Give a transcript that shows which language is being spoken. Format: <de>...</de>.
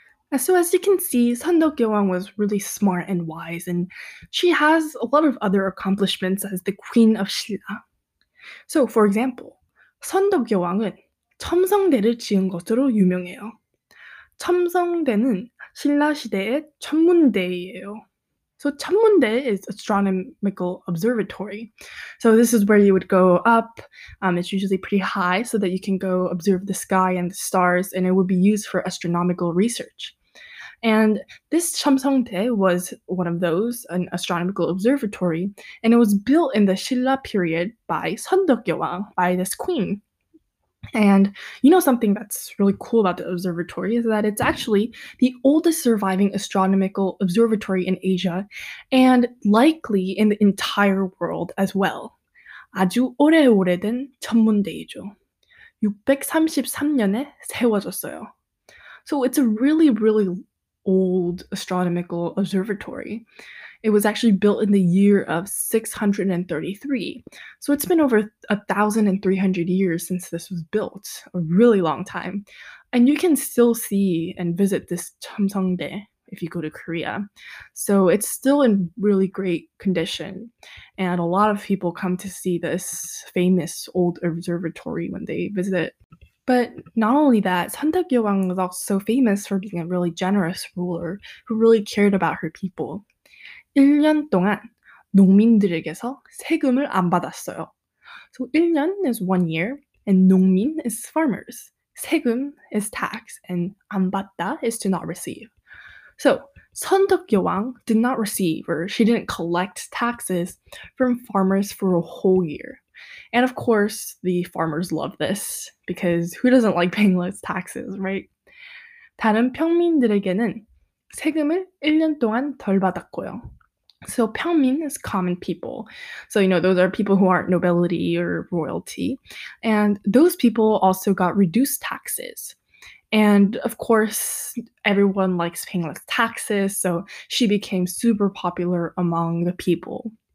<en>And so as you can see, 헌덕 여왕 was really smart and wise, and she has a lot of other accomplishments as the queen of 신라. So for example,</en> <ko>헌덕 여왕은 첨성대를 지은 것으로 유명해요. 첨성대는 신라 시대의 천문대예요.</ko> <en>So 천문대 is astronomical observatory. So this is where you would go up. It's usually pretty high so that you can go observe the sky and the stars, and it would be used for astronomical research. And this 첨성대 was one of those, an astronomical observatory, and it was built in the Silla period by 선덕여왕, by this queen. And you know something that's really cool about the observatory is that it's actually the oldest surviving astronomical observatory in Asia and likely in the entire world as well.</en> <ko>아주 오래오래된 천문대이죠. 633년에 세워졌어요.</ko> <en>So it's a really, really old astronomical observatory. It was actually built in the year of 633. So it's been over 1,300 years since this was built, a really long time. And you can still see and visit this 첨성대 if you go to Korea. So it's still in really great condition. And a lot of people come to see this famous old observatory when they visit. But not only that, 선덕여왕 was also famous for being a really generous ruler who really cared about her people.</en> <ko>1년 동안 농민들에게서 세금을 안 받았어요.</ko> <en>So 1년 is 1 year, and 농민 is farmers. 세금 is tax, and 안 받다 is to not receive. So 선덕여왕 did not receive, or she didn't collect taxes from farmers for a whole year. And of course, the farmers love this, because who doesn't like paying less taxes, right?</en> <ko>다른 평민들에게는 세금을 1년 동안 덜 받았고요.</ko> <en>So 평민 is common people. So, you know, those are people who aren't nobility or royalty. And those people also got reduced taxes. And of course, everyone likes paying less taxes. So she became super popular among the people.</en>